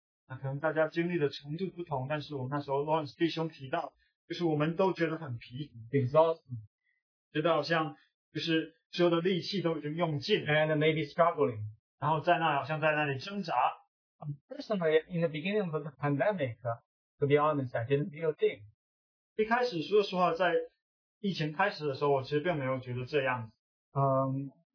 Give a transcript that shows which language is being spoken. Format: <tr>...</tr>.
<zh>那可能大家经历的程度不同，但是我们那时候 Lawrence 弟兄提到，就是我们都觉得很疲</zh> <en>乏 ，exhausted，</en> <zh>觉得好像就是所有的力气都已经用尽</zh> <en>，and maybe struggling，</en> <zh>然后在那好像在那里挣扎。</zh> <en>Personally, in the beginning of the pandemic, to be honest, I didn't feel thing。</en> <zh>一开始说实话，在疫情开始的时候，我其实并没有觉得这样子。</zh>